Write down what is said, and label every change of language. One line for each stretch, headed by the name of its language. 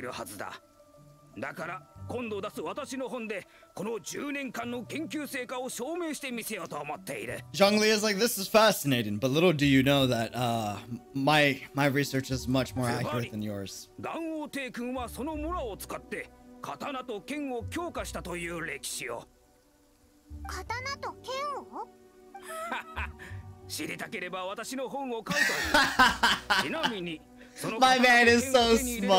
Japanese: いやいや、私の研究だとこの最初の村はそう単純なものではない。ご存知の通り、村は触媒の一つである。今も村を使って武器を強化する術が存在する。世界最初の村には強い力が秘められているはずだ。だから 今度出す私の本でこの10年間の研究成果を証明してみせようと思っている。
English: Zhong Li is like, this is fascinating, but little do you know that my research is much more accurate than yours.
Japanese: つまり、岩王帝君はその村を使って刀と剣を強化したという歴史を。刀と剣を？知りたければ私の本を買うといい。ちなみに、その刀と剣を手に入れれば、